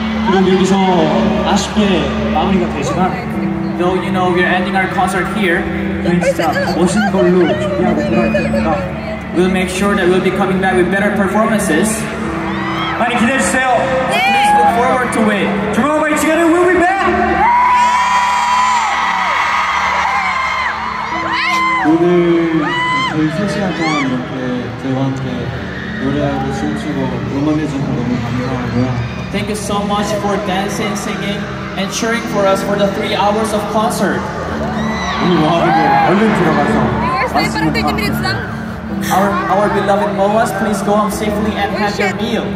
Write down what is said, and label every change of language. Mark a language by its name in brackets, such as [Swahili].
[Korean] 그리고 여기서 아쉽게 마무리가 되지만 [English] Though you know we're ending our concert here, [Korean] 진짜 멋진 걸로 준비하고 돌아가겠습니다. [English] We'll make sure that we'll be coming back with better performances. [Korean] 많이 기대해 주세요. [English] Please look forward to it. Tomorrow by together we'll be back. Yeah! [Korean] 오늘 저희 3시간 동안 이렇게 저와 함께 노래하고 춤추고 응원해 주셔서 너무 감사하고요. [English] Thank you so much for dancing, singing, and cheering for us for the 3 hours of concert. [Korean] 오늘 와 이제 얼른 들어가서 왔습니다. [English] Our beloved MOAs, please go home safely and have your meal.